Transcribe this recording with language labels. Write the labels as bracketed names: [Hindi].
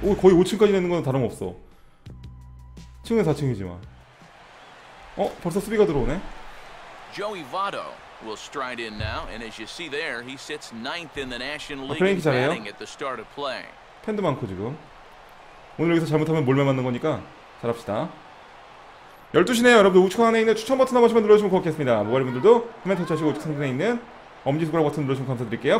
[Korean] 오, 거의 5층까지 내는 건 다름없어. 층은 4층이지만. 어, 벌써 수비가 들어오네. [English] Joey Votto will stride in now, and as you see there, he sits ninth in the National League. [Korean] 그레인키 잘해요. [English] At the start of play. [Korean] 팬도 많고 지금. 오늘 여기서 잘못하면 몰매 맞는 거니까 잘합시다. 12시네요 여러분들. 우측 안에 있는 추천 버튼 한 번씩만 눌러주시면 고맙겠습니다. 모바일 분들도 화면 터치하시고 우측 상단에 있는 엄지손가락 버튼 눌러주시면 감사드릴게요.